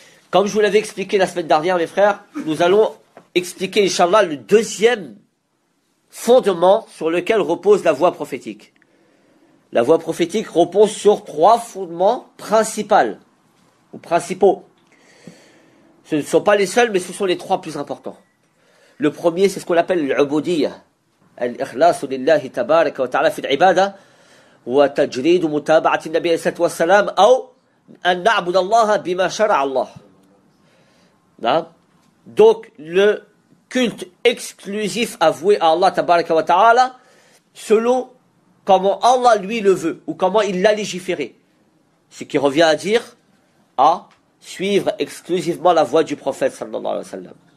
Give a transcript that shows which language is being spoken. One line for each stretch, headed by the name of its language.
French: Comme je vous l'avais expliqué la semaine dernière, mes frères, nous allons expliquer, Inch'Allah, le deuxième fondement sur lequel repose la voie prophétique. La voie prophétique repose sur trois fondements principaux. Ce ne sont pas les seuls, mais ce sont les trois plus importants. Le premier, c'est ce qu'on appelle l'ubudiyya.
Arabic: الإخلاص لله تبارك وتعالى في العبادة وتجريد متابعة النبي صلى الله عليه وسلم أو أن نعبد الله بما شرع الله. نعم.
French: Donc le culte exclusif avoué à Allah تبارك وتعالى selon comment Allah lui le veut ou comment il l'a légiféré. Ce qui revient à dire à suivre exclusivement la voie du prophète صلى الله عليه وسلم.